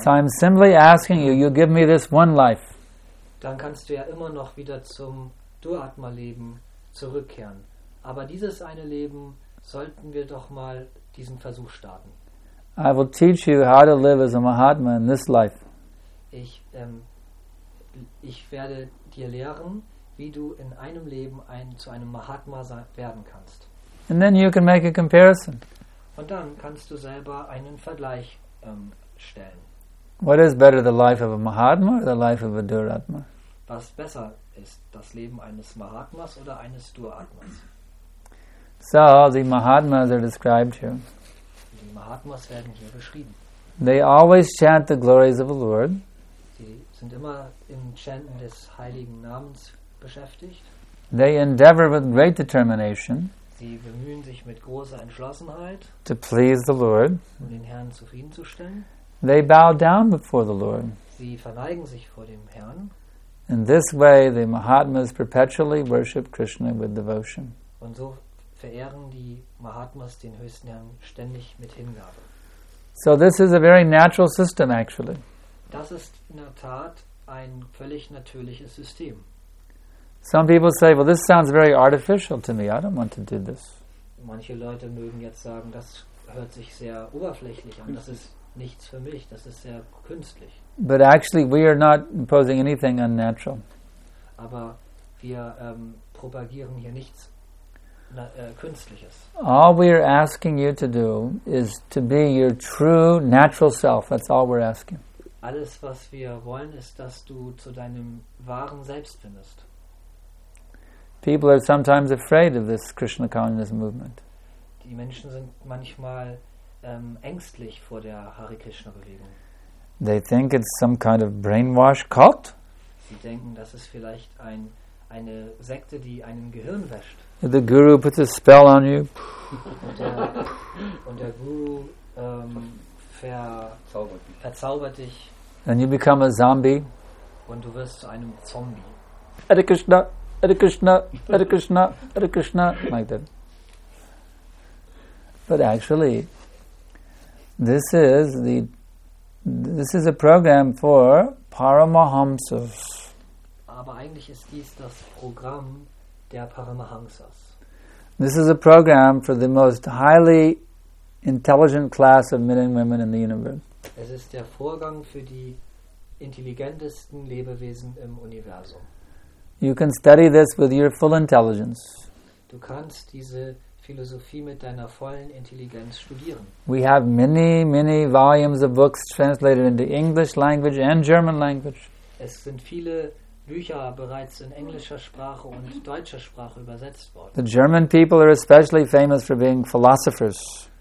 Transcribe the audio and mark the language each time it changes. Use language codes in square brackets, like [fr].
[en] So I'm simply asking you, you give me this one life. [de] Dann kannst du ja immer noch wieder zum Duratma-Leben zurückkehren. Aber dieses eine Leben sollten wir doch mal diesen Versuch starten. [en] I will teach you how to live as a Mahatma in this life. [de] Ich werde dir lehren, wie du in einem Leben zu einem Mahatma werden kannst. [en] And then you can make a comparison. [de] Und dann kannst du selber einen Vergleich stellen. [en] What is better, the life of a Mahatma or the life of a Duratma? [de] Was besser ist, das Leben eines Mahatmas oder eines Duratmas? [en] So, the Mahatmas are described here. [de] Die Mahatmas werden hier beschrieben. [en] They always chant the glories of the Lord. [de] Sie sind immer im Chanten des heiligen Namens beschäftigt. [en] They endeavor with great determination. [de] Sie bemühen sich mit großer Entschlossenheit. [en] To please the Lord. [de] Um den Herrn zufriedenzustellen. [en] They bow down before the Lord. [de] Sie verneigen sich vor dem Herrn. [en] In this way, the Mahatmas perpetually worship Krishna with devotion. [de] Und so verehren die Mahatmas den höchsten Herrn ständig mit Hingabe. [en] So this is a very natural system, actually. [de] Das ist in der Tat ein völlig natürliches System. [en] Some people say, well, this sounds very artificial to me. I don't want to do this. [de] Manche Leute mögen jetzt sagen, das hört sich sehr oberflächlich an. Das ist nichts für mich. Das ist sehr künstlich. [en] But actually, we are not imposing anything unnatural. [de] Aber wir propagieren hier nichts Künstliches. [en] All we are asking you to do is to be your true natural self. That's all we're asking. [de] Alles, was wir wollen, ist, dass du zu deinem wahren Selbst findest. [en] People are sometimes afraid of this Krishna consciousness movement. [de] Die Menschen sind manchmal ängstlich vor der Hare Krishna Bewegung. [en] They think it's some kind of brainwash cult. [de] Sie denken, das ist vielleicht ein eine Sekte, die einem Gehirn wäscht. [en] The guru puts a spell on you. [de] Und der Guru verzaubert dich. [en] And you become a zombie. [de] Und du wirst zu einem Zombie. [en] Hare Krishna, Hare Krishna, Hare Krishna, Hare Krishna, like that. But actually, this is a program for Paramahamsas. [de] Aber eigentlich ist dies das Programm der Paramahamsas. [en] This is a program for the most highly intelligent class of men and women in the universe. [de] Es ist der Vorgang für die intelligentesten Lebewesen im Universum. [en] You can study this with your full intelligence. [de] Du kannst diese Philosophie mit deiner vollen Intelligenz studieren. [en] We have many, many volumes of books translated into English language and German language. [de] Es sind viele Bücher bereits in englischer Sprache und deutscher Sprache übersetzt worden. [en] The German people are especially famous for being philosophers.